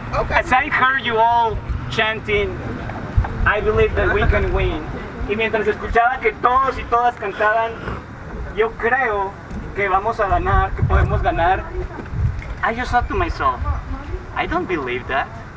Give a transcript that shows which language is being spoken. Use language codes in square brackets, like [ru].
[en] As I heard you all chanting, I believe that we can win. [es] Y mientras escuchaba que todos y todas cantaban, yo creo que vamos a ganar, que podemos ganar. [en] I just thought to myself, I don't believe that.